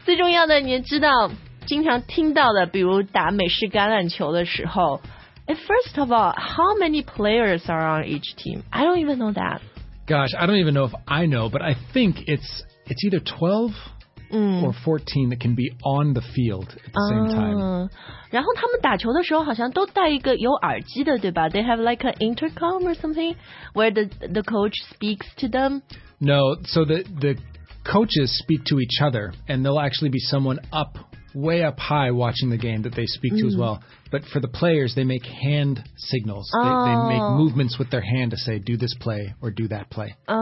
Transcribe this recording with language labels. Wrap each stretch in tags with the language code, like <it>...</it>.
<en>最重要的，你知道，经常听到的，比如打美式橄榄球的时候，First of all, how many players are on each team? I don't even know that. Gosh, I don't even know if I know, but I think it's either 12. Or 14 that can be on the field at the same time.</en> <zh>然后他们打球的时候好像都带一个有耳机的，对吧？</zh> <en>They have like an intercom or something where the coach speaks to them. No, so the coaches speak to each other, and there'll actually be someone up, way up high watching the game that they speak to as well. But for the players, they make hand signals. They make movements with their hand to say, do this play or do that play.</en>